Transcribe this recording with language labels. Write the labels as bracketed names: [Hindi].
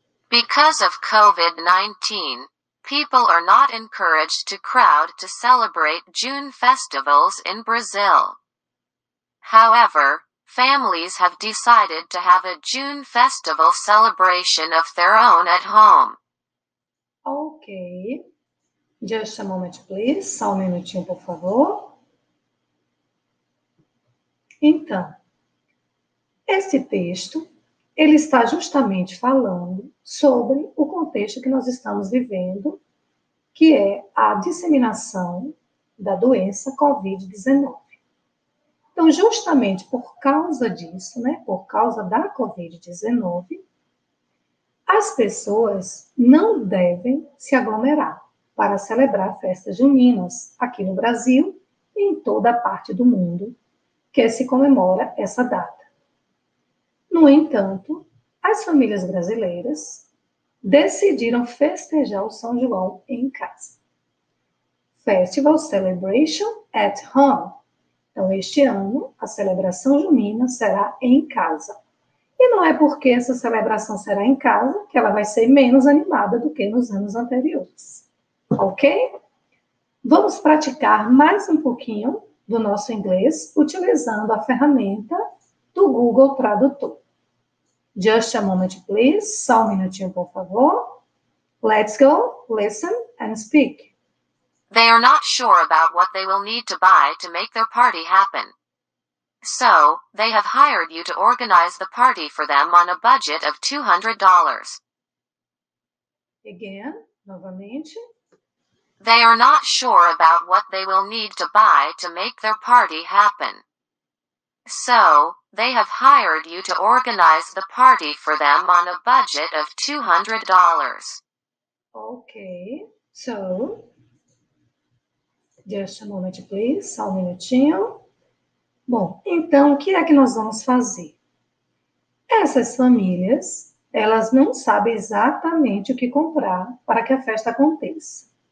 [English] Because of COVID-19, people are not encouraged to crowd to celebrate June festivals in Brazil. However, families have decided to have a June festival celebration of their own at home. Okay. Just a moment, please. [Portuguese] Só um minutinho, por favor. Então, esse texto, ele está justamente falando sobre o contexto que nós estamos vivendo, que é a disseminação da doença COVID-19. Então, justamente por causa disso, né, por causa da Covid-19, as pessoas não devem se aglomerar para celebrar festas juninas aqui no Brasil e em toda a parte do mundo que se comemora essa data. No entanto, as famílias brasileiras decidiram festejar o São João em casa. [English] Festival Celebration at Home. [Portuguese] Então, este ano, a celebração junina será em casa. E não é porque essa celebração será em casa que ela vai ser menos animada do que nos anos anteriores. Ok? Vamos praticar mais um pouquinho do nosso inglês utilizando a ferramenta do Google Tradutor. [English] Just a moment, please. [Portuguese] Só um minutinho, por favor. [English] Let's go, listen and speak. They are not sure about what they will need to buy to make their party happen. So, they have hired you to organize the party for them on a budget of $200. Again, [Portuguese] novamente. [English] They are not sure about what they will need to buy to make their party happen. So, they have hired you to organize the party for them on a budget of $200. Okay, so, just a moment, please, [Portuguese] só um minutinho. Bom, então, o que é que nós vamos fazer? Essas famílias, elas não sabem exatamente o que comprar para que a festa aconteça.